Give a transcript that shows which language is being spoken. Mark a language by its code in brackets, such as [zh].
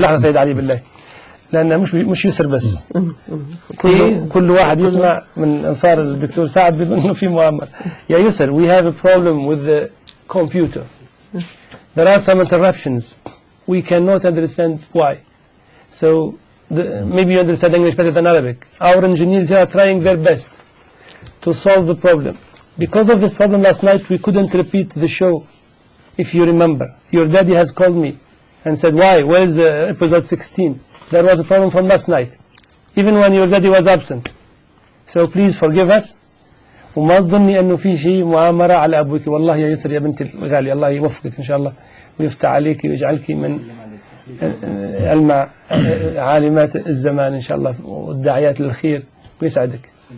[ar] لحظة سيد علي بالله، لأن مش يسر بس كل واحد يسمع من أنصار الدكتور سعد بيظن أنه في مؤامر. يا يسر، [en] we have a problem with the computer, there are some interruptions, we cannot understand why, so maybe you understand English better than Arabic. Our engineers are trying their best to solve the problem. Because of this problem last night, we couldn't repeat the show. If you remember, your daddy has called me and said, why? Where is episode 16? There was a problem from last night, even when your daddy was absent. So please forgive us. [ar] وما تظني أنه في شيء مؤامرة على أبوك. والله يا يسر يا بنت الغالي, الله يوفقك إن شاء الله ويفتح عليك ويجعلك من ألمع عالمات الزمان إن شاء الله والداعيات للخير ويسعدك.